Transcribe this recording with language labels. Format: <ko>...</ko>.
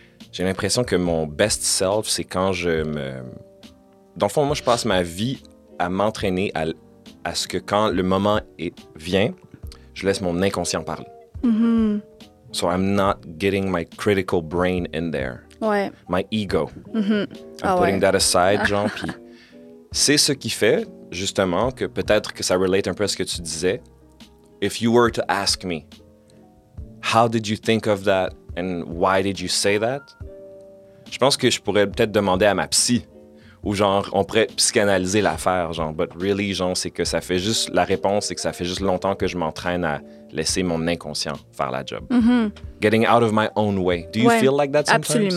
<fr>j'ai l'impression que mon best self, c'est quand je me... Dans le fond, moi, je passe ma vie à m'entraîner à ce que quand le moment vient, je laisse mon inconscient parler. Mm-hmm.</fr> <en>So I'm not getting my critical brain in there.</en> <fr>Ouais.</fr> <en>My ego. Mm-hmm. I'm putting that aside, genre.</en> <fr>Puis c'est ce qui fait, justement, que peut-être que ça relate un peu à ce que tu disais.</fr> <en>If you were to ask me, how did you think of that? And why did you say that?</en> <fr>Je pense que je pourrais peut-être demander à ma psy ou genre on pourrait psychanalyser l'affaire, genre.</fr> <en>But really,</en> <fr>genre, c'est que ça fait juste la réponse, c'est que ça fait juste longtemps que je m'entraîne à laisser mon inconscient faire la job. Mm-hmm.</fr> <en>Getting out of my own way. Do you feel like that sometimes?</en>